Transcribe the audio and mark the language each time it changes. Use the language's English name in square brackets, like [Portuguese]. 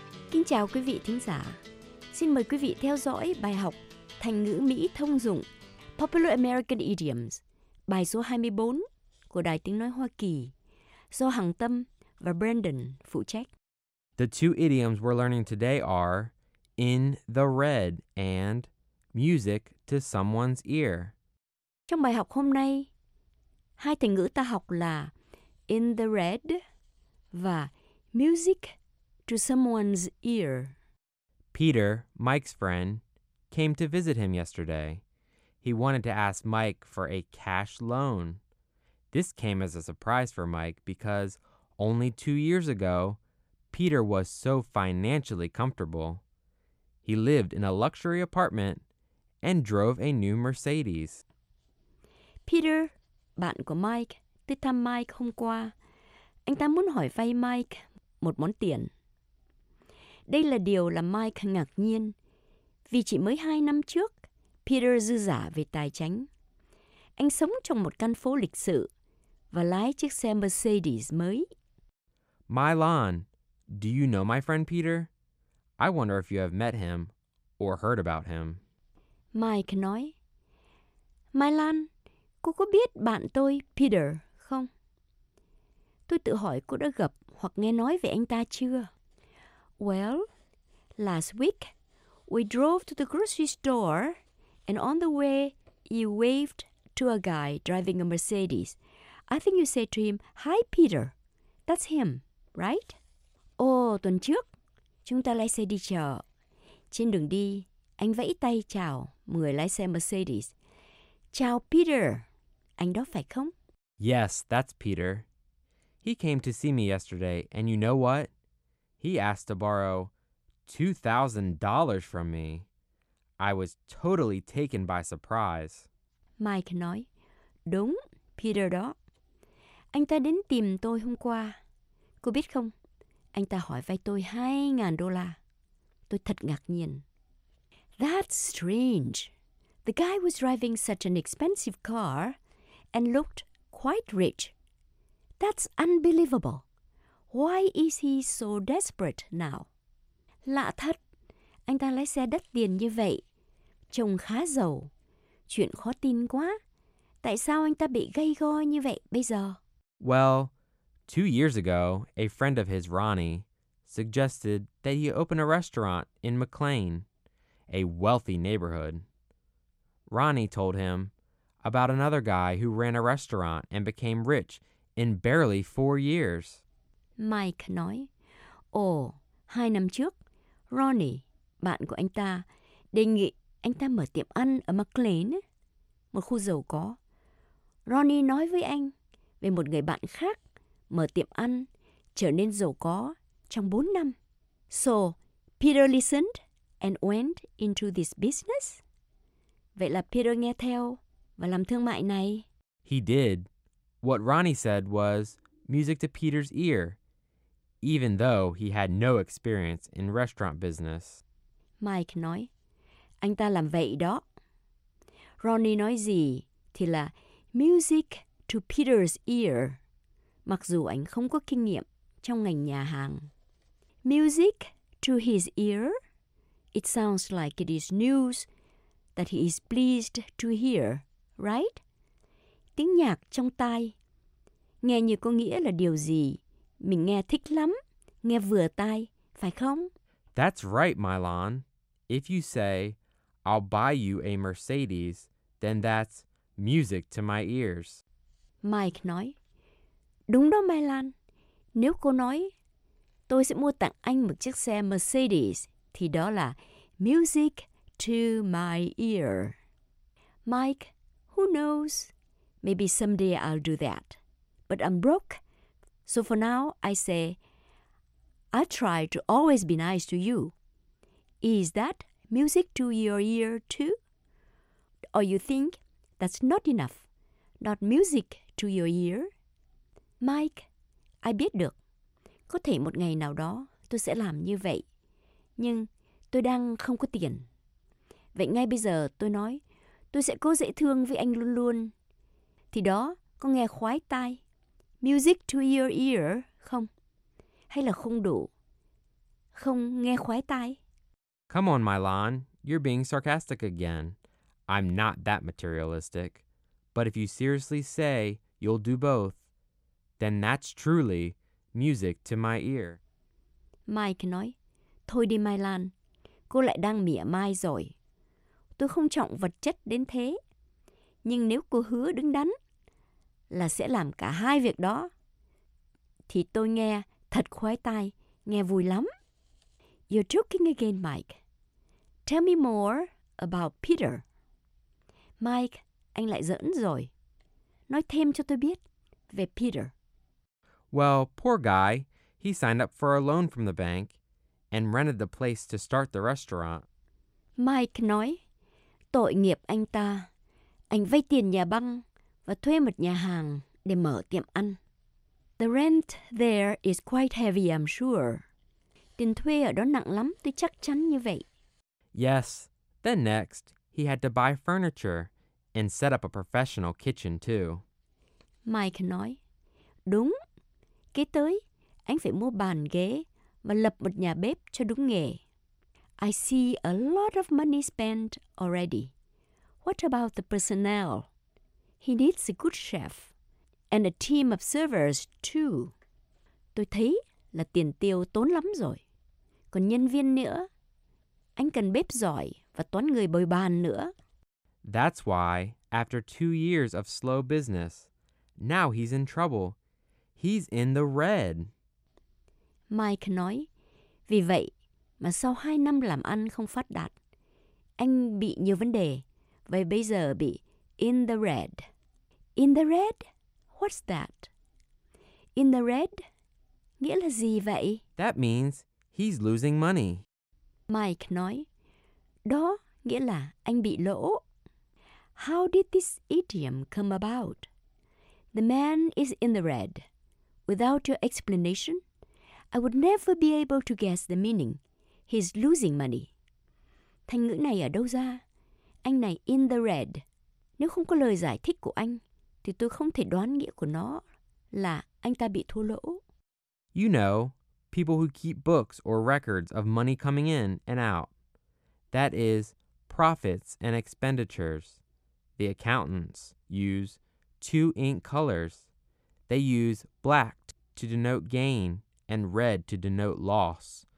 [Vietnamese] Kính chào quý vị thính giả. Xin mời quý vị theo dõi bài học thành ngữ Mỹ thông dụng [English] Popular American Idioms, [Vietnamese] bài số 24 của Đài Tiếng Nói Hoa Kỳ, do Hằng Tâm và Brandon phụ trách. [English] The two idioms we're learning today are in the red and music to someone's ear. [Vietnamese] Trong bài học hôm nay, hai thành ngữ ta học là [English] in the red [Vietnamese] và [English] music to someone's ear. Peter, Mike's friend, came to visit him yesterday. He wanted to ask Mike for a cash loan. This came as a surprise for Mike because only 2 years ago, Peter was so financially comfortable. He lived in a luxury apartment and drove a new Mercedes. [Vietnamese] Peter, bạn của Mike, tới thăm Mike hôm qua. Anh ta muốn hỏi vay Mike một món tiền. Đây là điều làm Mike ngạc nhiên, vì chỉ mới 2 năm trước, Peter dư giả về tài chính. Anh sống trong một căn phố lịch sự và lái chiếc xe Mercedes mới. [English] Milan, do you know my friend Peter? I wonder if you have met him or heard about him. [Vietnamese] Mike nói, Milan, cô có biết bạn tôi Peter không? Tôi tự hỏi cô đã gặp hoặc nghe nói về anh ta chưa? [English] Well, last week, we drove to the grocery store and on the way, you waved to a guy driving a Mercedes. I think you said to him, hi Peter, that's him, right? [Vietnamese] Oh, tuần trước, chúng ta lái xe đi chợ. Trên đường đi, anh vẫy tay chào người lái xe Mercedes. Chào Peter, anh đó phải không? [English] Yes, that's Peter. He came to see me yesterday, and you know what? He asked to borrow $2,000 from me. I was totally taken by surprise. [Vietnamese] Mike nói, đúng, Peter đó. Anh ta đến tìm tôi hôm qua. Cô biết không, anh ta hỏi vay tôi $2,000. Tôi thật ngạc nhiên. [English] That's strange. The guy was driving such an expensive car and looked quite rich. That's unbelievable. Why is he so desperate now? [Vietnamese] Lạ thật, anh ta lái xe đắt tiền như vậy. Trông khá giàu. Chuyện khó tin quá. Tại sao anh ta bị gay go như vậy bây giờ? [English] Well, 2 years ago, a friend of his, Ronnie, suggested that he open a restaurant in McLean, a wealthy neighborhood. Ronnie told him about another guy who ran a restaurant and became rich in barely 4 years. [Vietnamese] Mike nói, ồ, 2 năm trước, Ronnie, bạn của anh ta, đề nghị anh ta mở tiệm ăn ở McLean, một khu giàu có. Ronnie nói với anh về một người bạn khác mở tiệm ăn, trở nên giàu có trong 4 năm. [English] So, Peter listened and went into this business? [Vietnamese] Vậy là Peter nghe theo và làm thương mại này. [English] He did. What Ronnie said was music to Peter's ear, even though he had no experience in restaurant business. [Vietnamese] Mike nói, anh ta làm vậy đó. Ronnie nói gì thì là [English] music to Peter's ear, [Vietnamese] mặc dù anh không có kinh nghiệm trong ngành nhà hàng. [English] Music to his ear? It sounds like it is news that he is pleased to hear, right? [Vietnamese] Tiếng nhạc trong tai. Nghe như có nghĩa là điều gì mình nghe thích lắm, nghe vừa tai, phải không? [English] That's right, Milan. If you say, I'll buy you a Mercedes, then that's music to my ears. [Vietnamese] Mike nói, đúng đó, Milan. Nếu cô nói, tôi sẽ mua tặng anh một chiếc xe Mercedes, thì đó là [English] music to my ear. Mike, who knows? Maybe someday I'll do that. But I'm broke. So for now, I say, I try to always be nice to you. Is that music to your ear too? Or you think that's not enough? Not music to your ear? Mike, I [Vietnamese] biết được. Có thể một ngày nào đó tôi sẽ làm như vậy. Nhưng tôi đang không có tiền. Vậy ngay bây giờ tôi nói, tôi sẽ cố dễ thương với anh luôn luôn. Thì đó có nghe khoái tai. [English] Music to your ear, [Vietnamese] không? Hay là không đủ? Không nghe khoái tai? [English] Come on, Mylon. You're being sarcastic again. I'm not that materialistic. But if you seriously say you'll do both, then that's truly music to my ear. [Vietnamese] Mike nói, thôi đi Mylon, cô lại đang mỉa mai rồi. Tôi không trọng vật chất đến thế. Nhưng nếu cô hứa đứng đắn là sẽ làm cả hai việc đó, thì tôi nghe thật khoái tai, nghe vui lắm. [English] You're joking again, Mike. Tell me more about Peter. [Vietnamese] Mike, anh lại giỡn rồi. Nói thêm cho tôi biết về Peter. [English] Well, poor guy. He signed up for a loan from the bank and rented the place to start the restaurant. [Vietnamese] Mike nói, tội nghiệp anh ta. Anh vay tiền nhà băng và thuê một nhà hàng để mở tiệm ăn. [English] The rent there is quite heavy, I'm sure. [Vietnamese] Tiền thuê ở đó nặng lắm, tôi chắc chắn như vậy. [English] Yes. Then next, he had to buy furniture and set up a professional kitchen too. [Vietnamese] Mike nói, đúng. Kế tới, anh phải mua bàn ghế và lập một nhà bếp cho đúng nghề. [English] I see a lot of money spent already. What about the personnel? He needs a good chef and a team of servers too. [Vietnamese] Tôi thấy là tiền tiêu tốn lắm rồi. Còn nhân viên nữa. Anh cần bếp giỏi và toán người bồi bàn nữa. [English] That's why, after 2 years of slow business, now he's in trouble. He's in the red. [Vietnamese] Mike nói, vì vậy mà sau 2 năm làm ăn không phát đạt, anh bị nhiều vấn đề, và bây giờ bị [English] in the red. In the red? What's that? In the red? [Vietnamese] Nghĩa là gì vậy? [English] That means he's losing money. [Vietnamese] Mike nói, đó nghĩa là anh bị lỗ. [English] How did this idiom come about? The man is in the red. Without your explanation, I would never be able to guess the meaning. He's losing money. [Vietnamese] Thành ngữ này ở đâu ra? Anh này [English] in the red. [Vietnamese] Nếu không có lời giải thích của anh, thì tôi không thể đoán nghĩa của nó là anh ta bị thua lỗ. [English] You know, people who keep books or records of money coming in and out. That is, profits and expenditures. The accountants use 2 ink colors. They use black to denote gain and red to denote loss.